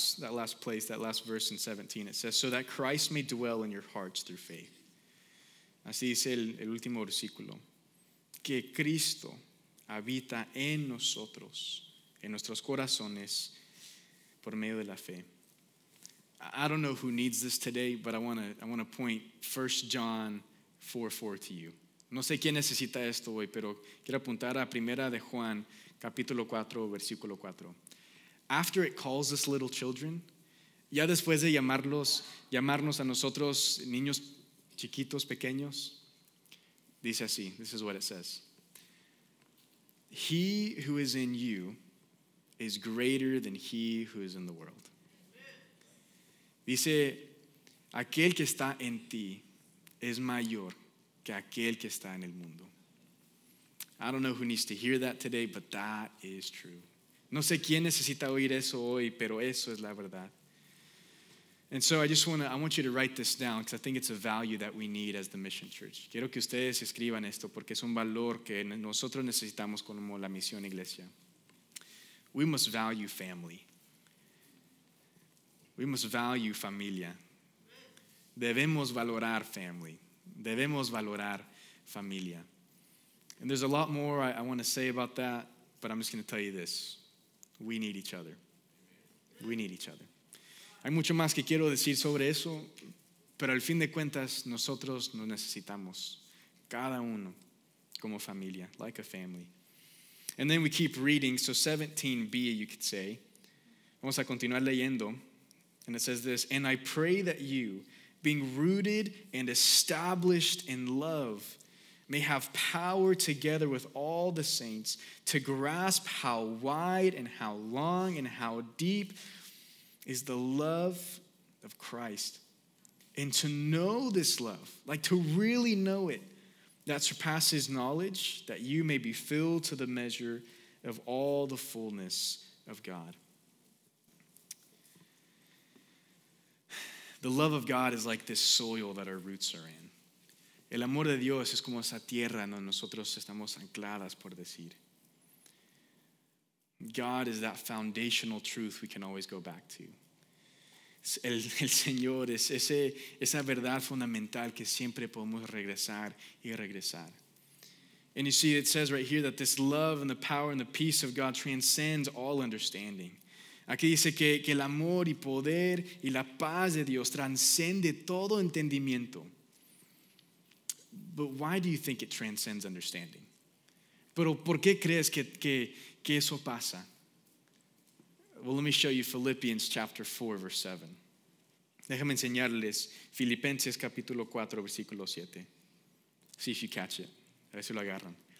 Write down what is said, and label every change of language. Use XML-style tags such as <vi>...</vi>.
<en>That last verse in 17, it says, so that Christ may dwell in your hearts through faith.</en> <es>Así dice el último versículo, que Cristo habita en nosotros, en nuestros corazones, por medio de la fe.</es> <en>I don't know who needs this today, but I want to point 1 John 4:4 to you.</en> <es>No sé quién necesita esto hoy, pero quiero apuntar a Primera de Juan, capítulo 4, versículo 4.</es> <en>After it calls us little children,</en> <es>ya después de llamarnos a nosotros niños chiquitos, pequeños, dice así,</es> <en>this is what it says. He who is in you is greater than he who is in the world.</en> <es>Dice, aquel que está en ti es mayor que aquel que está en el mundo.</es> <en>I don't know who needs to hear that today, but that is true.</en> <es>No sé quién necesita oír eso hoy, pero eso es la verdad.</es> <en>And so I want you to write this down because I think it's a value that we need as the mission church.</en> <es>Quiero que ustedes escriban esto porque es un valor que nosotros necesitamos como la misión iglesia.</es> <en>We must value family. We must value familia.</en> <es>Debemos valorar</es> <en>family.</en> <es>Debemos valorar familia.</es> <en>And there's a lot more I want to say about that, but I'm just going to tell you this. We need each other. We need each other.</en> <es>Hay mucho más que quiero decir sobre eso, Pero al fin de cuentas, nosotros nos necesitamos, cada uno, como familia,</es> <en>like a family. And then we keep reading, so 17b, you could say.</en> <es>Vamos a continuar leyendo.</es> <en>And it says this, and I pray that you, being rooted and established in love, may have power together with all the saints to grasp how wide and how long and how deep is the love of Christ. And to know this love, like to really know it, that surpasses knowledge, that you may be filled to the measure of all the fullness of God. The love of God is like this soil that our roots are in.</en> <es>El amor de Dios es como esa tierra donde nosotros estamos ancladas, por decir.</es> <en>God is that foundational truth we can always go back to.</en> <es>El Señor es esa verdad fundamental que siempre podemos regresar y regresar.</es> <en>And you see, it says right here that this love and the power and the peace of God transcends all understanding.</en> <es>Aquí dice que el amor y poder y la paz de Dios transcende todo entendimiento.</es> <en>But why do you think it transcends understanding?</en> <es>Pero ¿por qué crees que eso pasa?</es> <en>Well, let me show you Philippians chapter 4, verse 7.</en> <es>Déjame enseñarles Filipenses capítulo 4, versículo 7.</es> <en>See if you catch it.</en> <es>A ver si lo agarran.</es>